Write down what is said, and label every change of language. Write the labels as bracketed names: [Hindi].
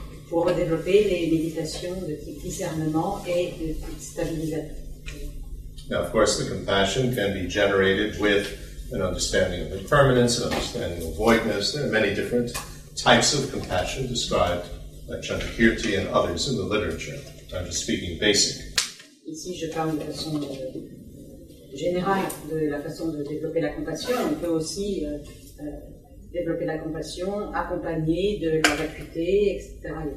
[French] Pour redévelopper les méditations de type discernement et de type stabilisateur. [English] Now, of course, the compassion can be generated with an understanding of impermanence, an understanding of voidness. There are many different types of compassion described by Chandrakirti and others in the literature. I'm just speaking basic. [French] Ici, je parle de façon générale de la façon de développer la compassion. On peut aussi développer la compassion, accompagné de la vacuité, etc.